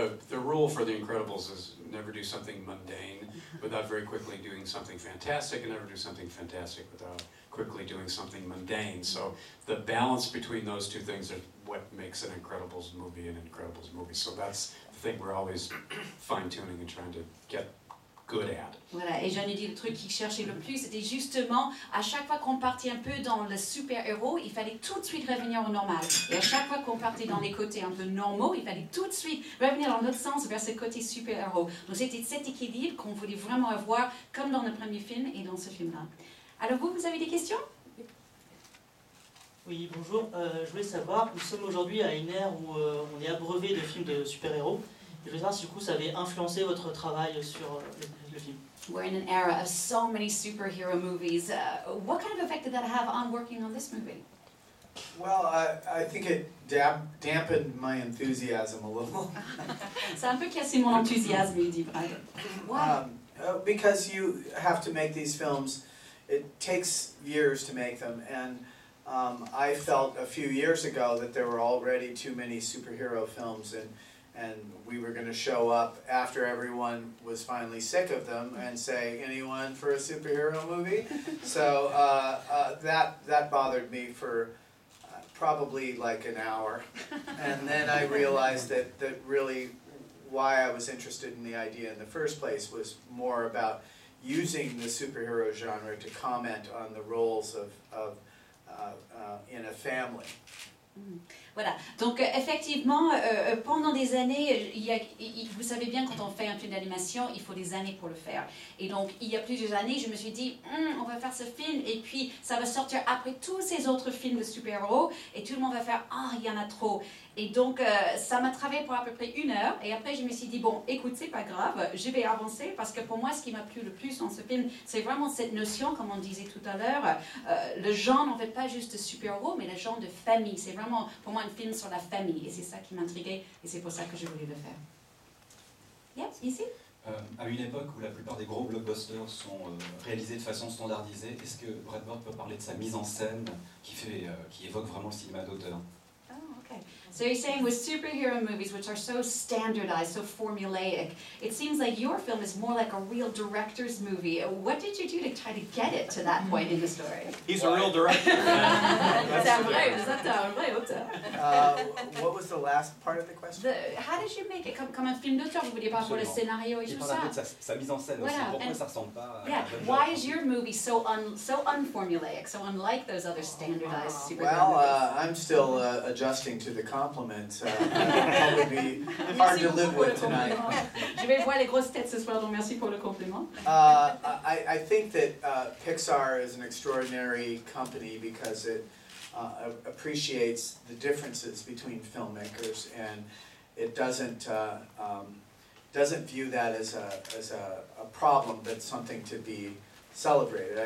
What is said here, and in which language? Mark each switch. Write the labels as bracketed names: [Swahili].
[English] The rule for The Incredibles is never do something mundane without very quickly doing something fantastic, and never do something fantastic without quickly doing something mundane. So the balance between those two things is what makes an Incredibles movie. So that's the thing we're always fine-tuning and trying to get good at. [French] Voilà, et j'en ai dit, le truc qu'il cherchait le plus, c'était justement, à chaque fois qu'on partait un peu dans le super-héros, il fallait tout de suite revenir au normal. Et à chaque fois qu'on partait dans les côtés un peu normaux, il fallait tout de suite revenir dans l'autre sens, vers ce côté super-héros. Donc c'était cet équilibre qu'on voulait vraiment avoir, comme dans le premier film et dans ce film-là. Alors vous avez des questions? Oui, bonjour. Je voulais savoir, nous sommes aujourd'hui à une ère où on est abreuvé de films de super-héros. Je voulais savoir si du coup ça avait influencé votre travail sur le film. [English] We're in an era of so many superhero movies. What kind of effect did that have on working on this movie? Well, I think it dampened my enthusiasm a little. [French] Ça a un peu cassé mon enthousiasme, il dit. [English] Why? Because you have to make these films. It takes years to make them, and I felt a few years ago that there were already too many superhero films, and we were going to show up after everyone was finally sick of them and say, anyone for a superhero movie? So that bothered me for probably like an hour. And then I realized that really why I was interested in the idea in the first place was more about using the superhero genre to comment on the roles of in a family. [French] Voilà, donc effectivement, pendant des années, vous savez bien, quand on fait un film d'animation, il faut des années pour le faire. Et donc, il y a plusieurs années, je me suis dit, on va faire ce film, et puis ça va sortir après tous ces autres films de super-héros, et tout le monde va faire, il y en a trop. Et donc, ça m'a travaillé pour à peu près une heure, et après je me suis dit, bon, écoute, c'est pas grave, je vais avancer, parce que pour moi, ce qui m'a plu le plus dans ce film, c'est vraiment cette notion, comme on disait tout à l'heure, le genre, en fait, pas juste de super-héros, mais le genre de famille. C'est vraiment, pour moi, un film sur la famille, et c'est ça qui m'intriguait, et c'est pour ça que je voulais le faire. Yes, ici. À une époque où la plupart des gros blockbusters sont réalisés de façon standardisée, est-ce que Brad Bird peut parler de sa mise en scène qui évoque vraiment le cinéma d'auteur? [English] So you're saying with superhero movies, which are so standardized, so formulaic, it seems like your film is more like a real director's movie. What did you do to try to get it to that point in the story? He's a real director. That's right. What was the last part of the question? How did you make it [French] comme un film d'auteur? Vous voulez pas pour le scénario et tout ça? Sa mise en scène aussi, pourquoi ça ressemble pas? [English] Yeah. Why is your movie so unformulaic, so unlike those other standardized superhero movies? Well, I'm still adjusting to the compliment. That would be hard to live with tonight. [French] Je vais voir les grosses têtes ce soir, donc merci pour le compliment. [English] I think that Pixar is an extraordinary company because it appreciates the differences between filmmakers, and it doesn't view that as a problem, but something to be celebrated.